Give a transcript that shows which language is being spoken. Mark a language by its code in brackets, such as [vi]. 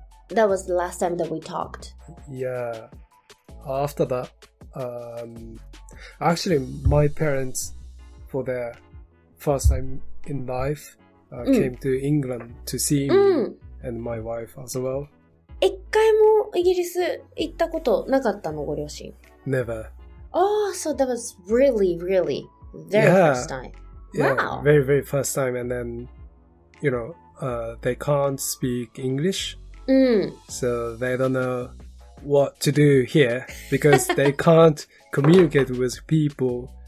[en] That was the last time that we talked. Yeah. After that, actually, my parents, for their first time in life, came to England to see me and my wife as well. [ja] 一回もイギリス行ったことなかったの、ご両親? [en] Never. Oh, so that was really, really very first time. Yeah, wow. Very, very first time. And then, you know, they can't speak English. So they don't know what to do here because they can't communicate with people